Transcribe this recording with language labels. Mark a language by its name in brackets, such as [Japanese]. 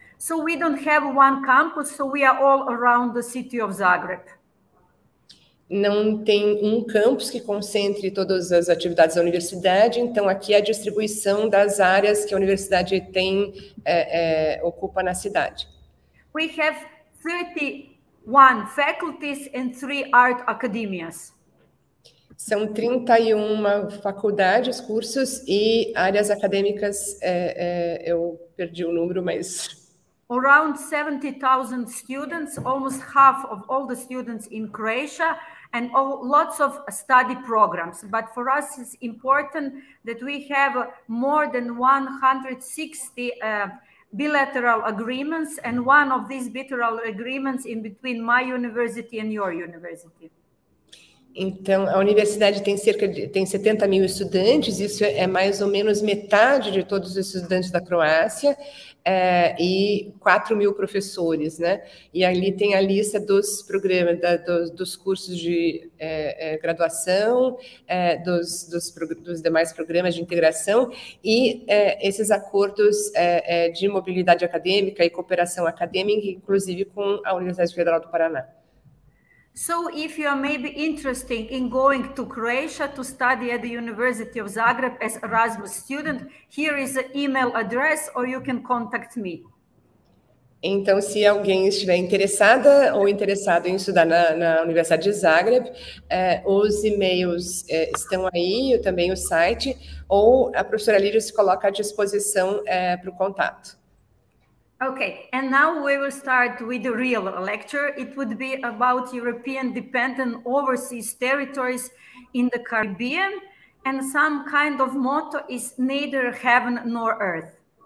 [English] So we don't have one campus, so we are all around the city of Zagreb. [Portuguese] Não tem um campus que concentre todas as atividades da universidade, então aqui é a distribuição das áreas que a universidade tem, ocupa na cidade. [English] We have 31 faculties and 3 art academias. [Portuguese] São 31 faculdades, cursos e áreas acadêmicas, eu perdi o número, mas... [English] Around 70,000 students, almost half of all the students in Croatia, and all, lots of study programs. But for us, it's important that we have more than 160 bilateral agreements, and one of these bilateral agreements in between my university and your university. [Portuguese] Então, a universidade tem tem 70 mil estudantes, isso é mais ou menos metade de todos os estudantes da Croácia, e 4 mil professores, né? E ali tem a lista dos programas, dos cursos de graduação, dos demais programas de integração, e esses acordos de mobilidade acadêmica e cooperação acadêmica, inclusive com a Universidade Federal do Paraná. [English] So if you are maybe interested in going to Croatia to study at the University of Zagreb as Erasmus student, here is an email address or you can contact me. [Portuguese] Então, se alguém estiver interessada ou interessado em estudar na Universidade de Zagreb, os e-mails estão aí, também o site, ou a professora Lídia se coloca à disposição para o contato. [English] Okay, and now we will start with the real lecture. It would be about European dependent overseas territories in the Caribbean, and some kind of motto is neither heaven nor earth.